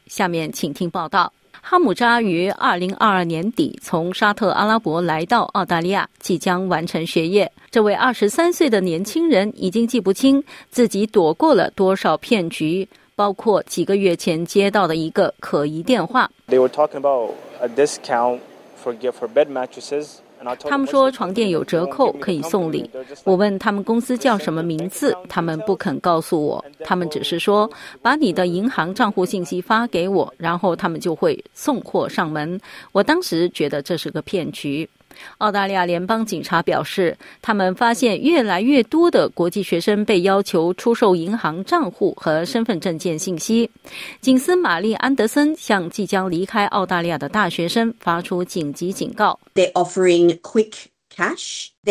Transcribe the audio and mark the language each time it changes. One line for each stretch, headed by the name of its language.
Chinese: 下面请听报道。哈姆扎于2022年底从沙特阿拉伯来到澳大利亚，即将完成学业。这位23岁的年轻人已经记不清自己躲过了多少骗局，包括几个月前接到的一个可疑电话。
English: They were talking about a discount for bed mattresses.
Chinese: 他们说床垫有折扣可以送礼，我问他们公司叫什么名字，他们不肯告诉我，他们只是说把你的银行账户信息发给我，然后他们就会送货上门。我当时觉得这是个骗局。澳大利亚联邦警察表示，他们发现越来越多的国际学生被要求出售银行账户和身份证件信息。警司玛丽·安德森向即将离开澳大利亚的大学生发出紧急警告。
English: They're offering quick cash.